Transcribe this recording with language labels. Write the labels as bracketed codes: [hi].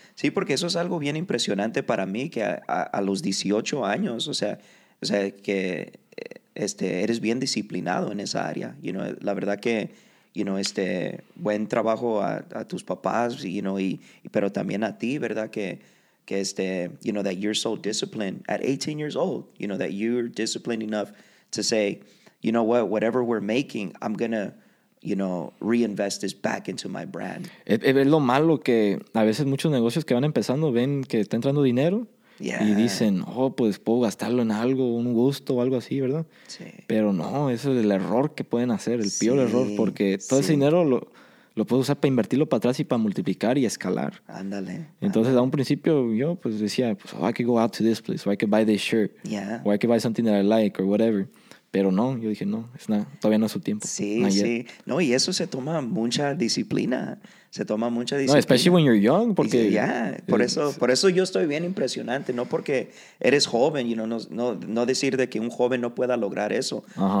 [es] Sí, porque eso es algo bien impresionante para mí, que a los 18 años, o sea que eres bien disciplinado en esa área. La verdad que, buen trabajo a tus papás, pero también a ti, ¿verdad? Que [en] that you're so disciplined at 18 years old, that you're disciplined enough to say, you know what, whatever we're making, I'm going to, reinvest this back into my brand. [es] Es lo malo que a veces muchos negocios que van empezando ven que está entrando dinero y dicen, oh, pues puedo gastarlo en algo, un gusto o algo así, ¿verdad? Sí. Pero no, ese es el error que pueden hacer, el peor error, porque todo ese dinero lo puedo usar para invertirlo para atrás y para multiplicar y escalar. Ándale. Entonces, a un principio, yo pues decía, pues, oh, [en] I could go out to this place, or I could buy this shirt, or I could buy something that I like, or whatever. [es] Pero no, yo dije, no, es nada, todavía no es su tiempo. Sí, sí. No, y eso se toma mucha disciplina. Se toma mucha disciplina. No, [en] especially when you're young, [es] porque... Ya, yeah, por eso yo estoy bien impresionante. No porque eres joven, [en] you know, [es] no decir de que un joven no pueda lograr eso. Uh-huh.